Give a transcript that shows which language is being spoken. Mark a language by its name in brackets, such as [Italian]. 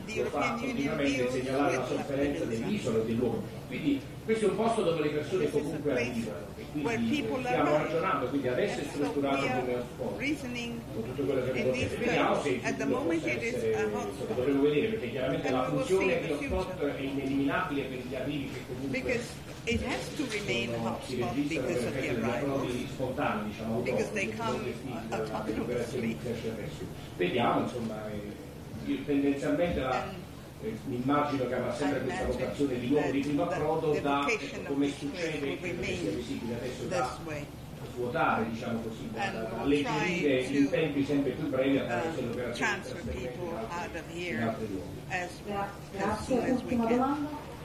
[Italian] Continuamente segnalare la sofferenza dell'isola e dell'uomo, quindi questo è un posto dove le persone comunque arrivano e quindi stiamo ragionando, quindi adesso è strutturato come hotspot con tutto quello che vediamo, se il futuro possa essere, dovremo vedere, perché chiaramente la funzione di hotspot è ineliminabile per gli arrivi che comunque [English] it has to remain hotspot because of the arrivals, because they come autonomously. [Italian] Vediamo, insomma, io tendenzialmente mi immagino che avrà sempre questa vocazione di luogo di primo approdo, da come succede che sia visibile adesso da svuotare, diciamo così, alleggerire in tempi sempre più brevi attraverso le operazioni di trasferimento in altri luoghi.